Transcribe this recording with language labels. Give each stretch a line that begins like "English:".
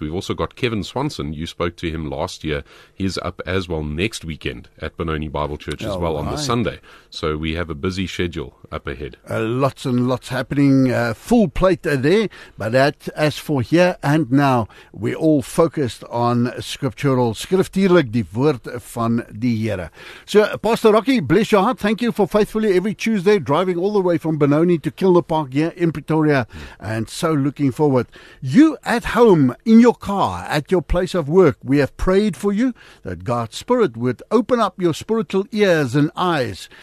English: We've also got Kevin Swanson. You spoke to him last year. He's up as well next weekend at Benoni Bible Church as well on the Sunday. So we have a busy schedule up ahead. Lots and lots happening. Full plate there. But that, as for here and now, we're all focused on scriptural.
Afrikaans: Skriftuurlik, die woord van die Here.
English: So, Pastor Rocky, bless your heart. Thank you for faithfully every Tuesday driving all the way from Benoni to Kilner Park here in Pretoria. And so looking forward. You at home, in your car, at your place of work, we have prayed for you that God's Spirit would open up your spiritual ears and eyes.